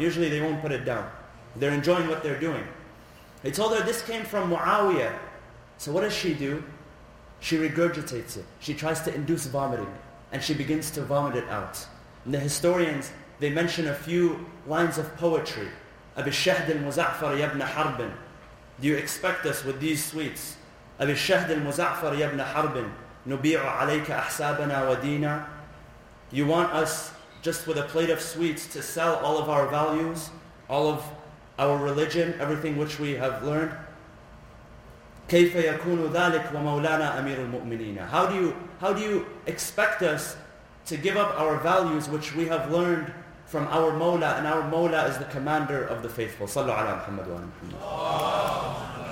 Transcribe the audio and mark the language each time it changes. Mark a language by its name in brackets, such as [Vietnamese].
[English] Usually they won't put it down. They're enjoying what they're doing. He told her, this came from Muawiyah. So what does she do? She regurgitates it. She tries to induce vomiting. and she begins to vomit it out. And the historians, they mention a few lines of poetry. [Arabic] أبي الشهد المزعفر يا ابن حرب. [English] Do you expect us with these sweets? [Arabic] أبي الشهد المزعفر يا ابن حرب نبيع عليك أحسابنا ودينا. [English] You want us just with a plate of sweets to sell all of our values, all of our religion, everything which we have learned? [Arabic] كيف يكون ذلك ومولانا أمير المؤمنين. [English] How do you expect us to give up our values which we have learned from our Mawla, and our Mawla is the commander of the faithful. [Arabic] صلوا على محمد وآل محمد.